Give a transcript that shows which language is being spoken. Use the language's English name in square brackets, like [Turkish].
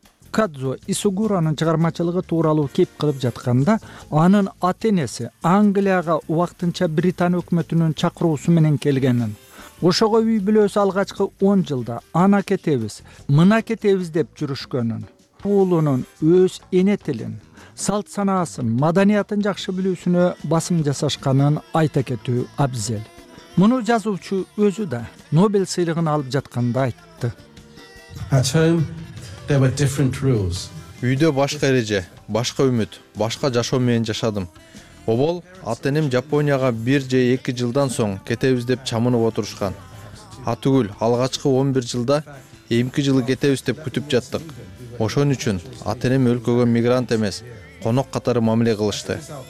[Kyrgyz] Кадзо Исугуронун чыгармачылыгы тууралуу кеп кылып жатканда, анын ата энеси Англияга убактынча Британия өкмөтүнүн чакыруусу менен келгенин, ошого үй бүлөсү алгачкы 10 жылда ана кетебиз, мына кетебиз деп жүрүшкөнүн, уулунун өз эне тилин, салт санаасын, маданиятын жакшы билүүсүнө басым жасашканын айта кетүү абзел. Муну жазуучу өзү да Нобель сыйлыгын алып жатканда айтты. [English] There were different rules. [Kyrgyz] Үйдө башка эреже, башка үмүт, башка жашоо менен жашадым. Обол ата-энем Жапонияга 1 же 2 жылдан соң кетебиз деп чамынып отурушкан. Атүгүл алгачкы 11 жылда эмки жылы кетебиз деп күтүп жаттык. Ошон үчүн ата-энем өлкөгө мигрант эмес, конок катары мамиле кылышты.